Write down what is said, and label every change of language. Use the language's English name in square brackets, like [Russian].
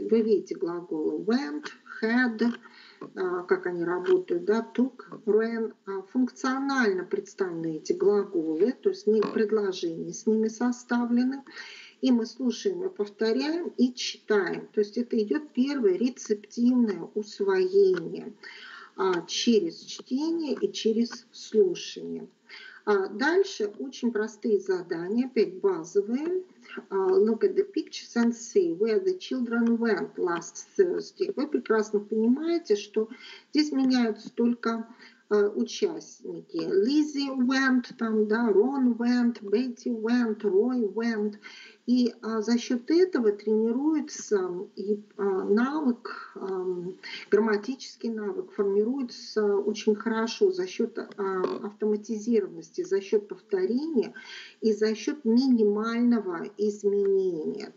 [Russian] Вы видите глаголы went, had, как они работают, да, took, ran, функционально представлены эти глаголы, то есть не предложения с ними составлены, и мы слушаем, мы повторяем и читаем, то есть это идет первое рецептивное усвоение через чтение и через слушание. Дальше очень простые задания, опять базовые. [English] Look at the pictures and see where the children went last Thursday. [Russian] Вы прекрасно понимаете, что здесь меняются только участники. [English] Lizzie went, [Russian] там, да, [English] Ron went, Betty went, Roy went. [Russian] И за счет этого тренируется и навык, грамматический навык формируется очень хорошо за счет автоматизированности, за счет повторения и за счет минимального изменения.